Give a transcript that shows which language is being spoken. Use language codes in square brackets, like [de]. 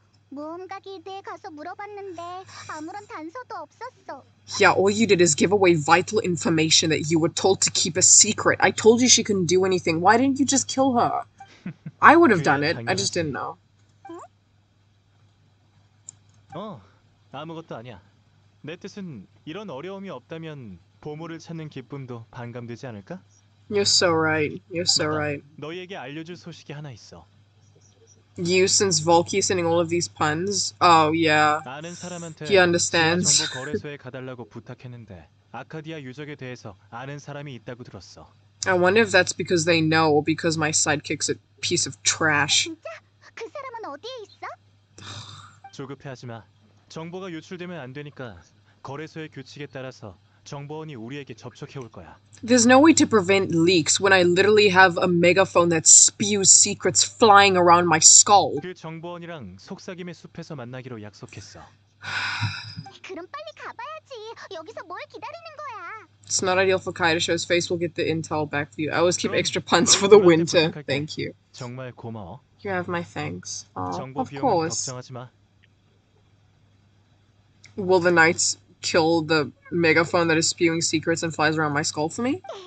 [ko] 무언가 기대에 가서 물어봤는데 아무런 단서도 없었어. [en] Yeah, all you did is give away vital information that you were told to keep a secret. I told you she couldn't do anything. Why didn't you just kill her? I would have done it. I just didn't know. [ko] 어, 아무것도 아니야. 내 뜻은 이런 어려움이 없다면 보물을 찾는 기쁨도 반감되지 않을까? [en] You're so right. You're so right. [ko] 너희에게 알려줄 소식이 하나 있어. [en] You, since Volky is sending all of these puns, oh yeah, he understands. [ko] 지하 정보 거래소에 가달라고 부탁했는데 아카디아 유적에 대해서 아는 사람이 있다고 들었어. [en] I wonder if that's because they know or because my sidekick's a piece of trash. [ko] 진짜? 그 사람은 어디에 있어? 조급해하지 마. 정보가 유출되면 안 되니까 거래소의 규칙에 따라서 정보원이 우리에게 접촉해 올 거야. [en] There's no way to prevent leaks when I literally have a megaphone that spews secrets flying around my skull. [ko] 그 정보원이랑 속삭임의 숲에서 만나기로 약속했어. 그럼 빨리 가봐야지. 여기서 뭘 기다리는 거야? [en] It's not ideal for Kai to show his face. We'll get the intel back for you. I always keep extra puns for the winter. Thank you. [ko] 정말 고마워. [en] You have my thanks. Oh, of course. [ko] 걱정하지 마. [en] Will the knights kill the megaphone that is spewing secrets and flies around my skull for me?